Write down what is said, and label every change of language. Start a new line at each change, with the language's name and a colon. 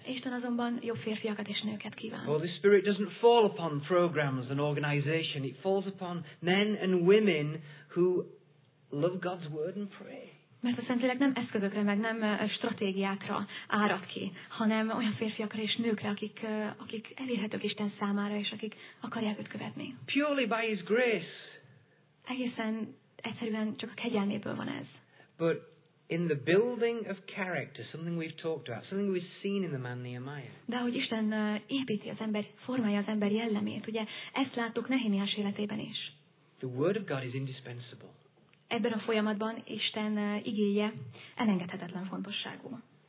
Hungarian: Isten azonban jobb férfiakat és nőket kíván.
English: Well, the Spirit doesn't fall upon programs and organization. It falls upon men and women who love God's word and pray.
Hungarian: Mert a Szentlélek nem eszközökre, meg nem stratégiákra árad ki, hanem olyan férfiakra és nőkre, akik elérhetők Isten számára, és akik akarják őt követni.
English: Purely by His grace.
Hungarian: Egészen egyszerűen csak a kegyelméből van ez.
English: But in the building of character, something we've talked about, something we've seen in the man Nehemiah.
Hungarian: De hogy Isten építi az ember, formálja az ember jellemét, ugye ezt láttuk Nehemiás életében is.
English: The word of God is indispensable.
Hungarian: Ebben a folyamatban Isten igéje elengedhetetlen fontosságú.